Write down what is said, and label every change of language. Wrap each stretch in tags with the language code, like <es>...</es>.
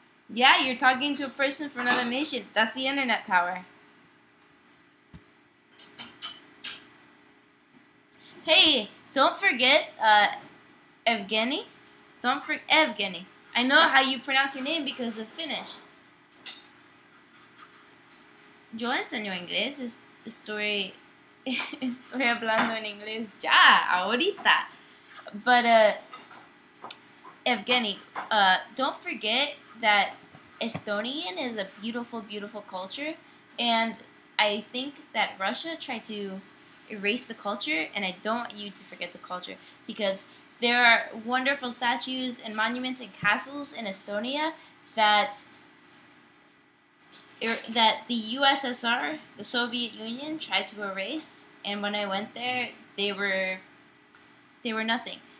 <en>Yeah, you're talking to a person from another nation. That's the internet power. Hey, don't forget, Evgeny. Don't forget, Evgeny. I know how you pronounce your name because of Finnish.</en> <es>Yo enseño inglés, estoy hablando en inglés ya, ahorita.</es> <en>But, Evgeny, don't forget that Estonian is a beautiful, beautiful culture. And I think that Russia tried to erase the culture, and I don't want you to forget the culture. Because there are wonderful statues and monuments and castles in Estonia that the USSR, the Soviet Union, tried to erase, and when I went there, they were nothing.</en>